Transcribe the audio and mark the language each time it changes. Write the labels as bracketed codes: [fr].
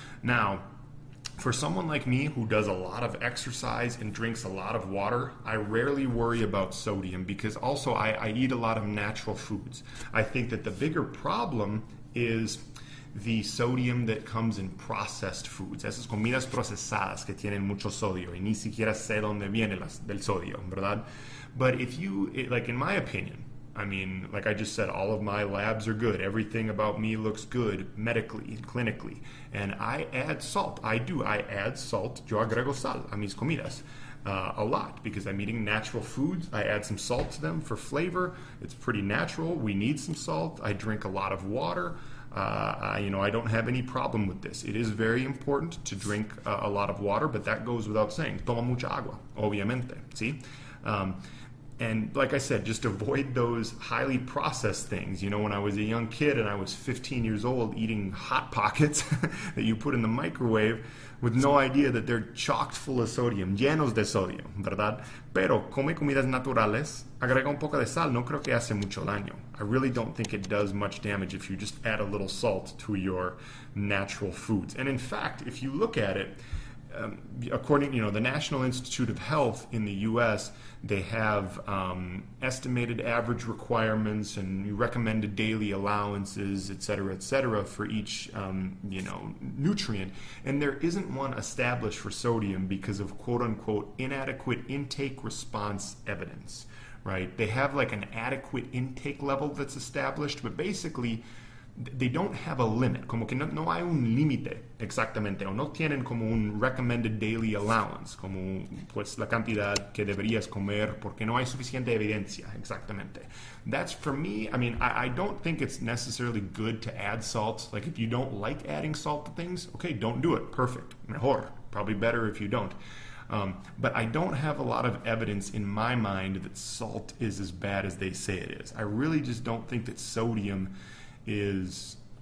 [en] Now, for someone like me who does a lot of exercise and drinks a lot of water, I rarely worry about sodium because also I eat a lot of natural foods. I think that the bigger problem is the sodium that comes in processed foods. [es] Esas comidas procesadas que tienen mucho sodio y ni siquiera sé dónde viene el sodio, ¿verdad? [en] But if you, like in my opinion, I mean, like I just said, all of my labs are good. Everything about me looks good medically, clinically. And I add salt. I do. I add salt. Yo agrego sal a mis comidas a lot because I'm eating natural foods. I add some salt to them for flavor. It's pretty natural. We need some salt. I drink a lot of water. I don't have any problem with this. It is very important to drink a lot of water, but that goes without saying. Toma mucha agua, obviamente. ¿Sí? And like I said, just avoid those highly processed things. You know, when I was a young kid and I was 15 years old eating Hot Pockets that you put in the microwave with no idea that they're chocked full of sodium, llenos de sodium, ¿verdad? [es] Pero come comidas naturales, agrega un poco de sal, no creo que hace mucho daño. [en] I really don't think it does much damage if you just add a little salt to your natural foods. And in fact, if you look at it, according, you know, the National Institute of Health in the U.S., they have estimated average requirements and recommended daily allowances, et cetera, for each, nutrient. And there isn't one established for sodium because of quote-unquote inadequate intake response evidence, right? They have like an adequate intake level that's established, but basically they don't have a limit. [es] Como que no hay un límite exactamente. O no tienen como un recommended daily allowance. Como pues la cantidad que deberías comer porque no hay suficiente evidencia exactamente. [en] That's for me. I mean, I don't think it's necessarily good to add salt. Like if you don't like adding salt to things, okay, don't do it. Perfect. Mejor. Probably better if you don't. But I don't have a lot of evidence in my mind that salt is as bad as they say it is. I really just don't think that sodium is